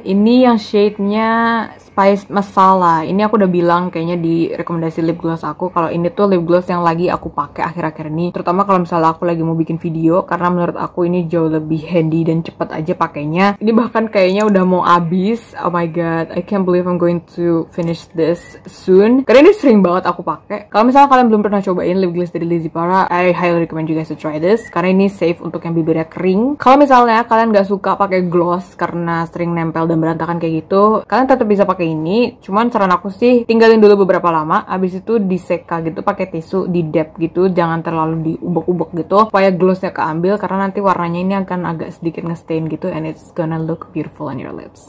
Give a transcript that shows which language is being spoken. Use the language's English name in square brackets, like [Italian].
[Indonesian] Ini yang shade-nya Spice Masala. Ini aku udah bilang kayaknya di rekomendasi lip gloss aku kalau ini tuh lip gloss yang lagi aku pakai akhir-akhir ini, terutama kalau misalnya aku lagi mau bikin video karena menurut aku ini jauh lebih handy dan cepet aja pakainya. Ini bahkan kayaknya udah mau habis. [English] Oh my god, I can't believe I'm going to finish this soon. [Indonesian] Karena ini sering banget aku pakai. Kalau misalnya kalian belum pernah cobain lip gloss dari Lizzie Para, [English] I highly recommend you guys to try this [Indonesian] karena ini safe untuk yang bibirnya kering. Kalau misalnya kalian nggak suka pakai gloss karena sering nempel dan berantakan kayak gitu, kalian tetap bisa pakai ini, cuman saran aku sih tinggalin dulu beberapa lama, abis itu diseka gitu pakai tisu, di dab gitu, jangan terlalu diubek-ubek gitu, supaya glossnya keambil, karena nanti warnanya ini akan agak sedikit nge-stain gitu, [English] and it's gonna look beautiful on your lips.